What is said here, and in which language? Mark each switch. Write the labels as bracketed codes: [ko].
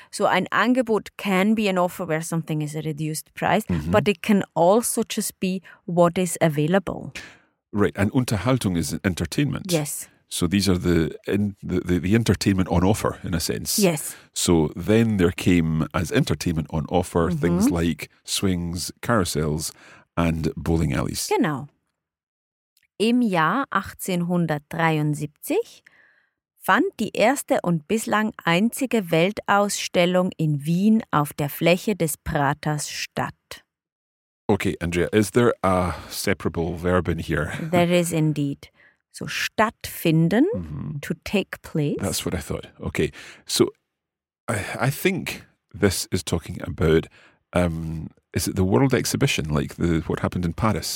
[en] So an Angebot can be an offer where something is a reduced price, but it can also just be what is available. Right. And Unterhaltung is entertainment. Yes. So these are the entertainment on offer, in a sense. Yes. So then there came, as entertainment on offer, things like swings, carousels and bowling alleys. [de] Genau. Im Jahr 1873 fand die erste und bislang einzige Weltausstellung in Wien auf der Fläche des Praters statt. [en] Okay, Andrea, is there a separable verb in here? There is indeed. So, stattfinden, to take place. That's what I thought. Okay. So, I think this is talking about, is it the World Exhibition, like the what happened in Paris?